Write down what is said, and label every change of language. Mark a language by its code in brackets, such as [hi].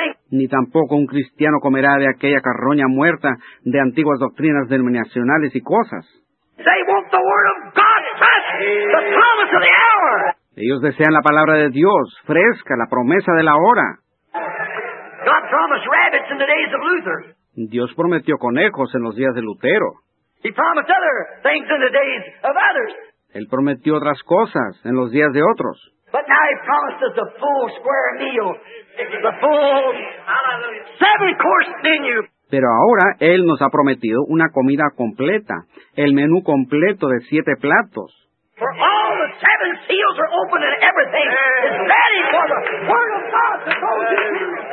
[es] Ni tampoco un cristiano comerá de aquella carroña muerta de antiguas doctrinas denominacionales y cosas. [en] They want the word of God fresh, the promise of the hour. [es] Ellos desean la palabra de Dios fresca, la promesa de la hora. [en] God promised rabbits in the days of Luther. [es] Dios prometió conejos en los días de Lutero. [en] He promised other things in the days of others. [es] Él prometió otras cosas en los días de otros. [en] But now he promises a full square meal, the full seven-course menu. [es] Pero ahora Él nos ha prometido una comida completa, el menú completo de 7 platos. [en] For all the 7 seals are open and everything is ready for the word of God to go to.